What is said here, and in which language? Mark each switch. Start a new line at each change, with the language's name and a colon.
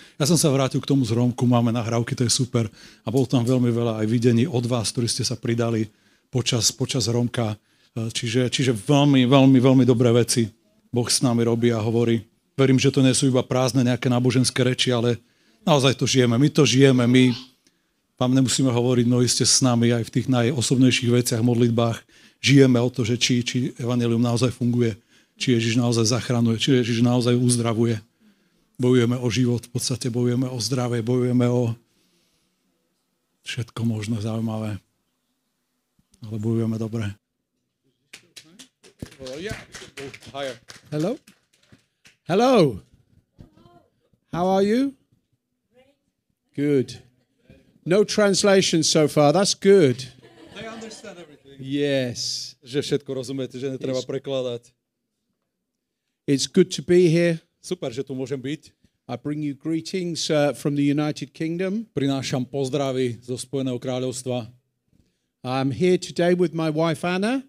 Slovak: Ja som sa vrátil k tomu zhromku, máme nahrávky, to je super. A bolo tam veľmi veľa aj videní od vás, ktorí ste sa pridali počas zhromka. Čiže veľmi, veľmi, veľmi dobré veci Boh s nami robí a hovorí. Verím, že to nie sú iba prázdne nejaké náboženské reči, ale naozaj to žijeme. My to žijeme, my vám nemusíme hovoriť, no iste s nami aj v tých najosobnejších veciach, modlitbách. Žijeme o to, že či evanjelium naozaj funguje, či Ježiš naozaj zachraňuje, či Ježiš naozaj uzdravuje. Bojujeme o život, v podstate bojujeme o zdravie, bojujeme o všetko možné zaujímavé. Ale bojujeme dobre.
English: Hello. Hello. How are you? Good. No translation so far. That's good. I understand everything. Yes.
Slovak: Že všetko rozumiete, že netreba prekladať.
English: It's good to be here.
Slovak: Super, že tu môžem byť.
English: I bring you greetings from the United Kingdom.
Slovak: Prinášam pozdravy zo Spojeného kráľovstva.
English: I'm here today with my wife Anna.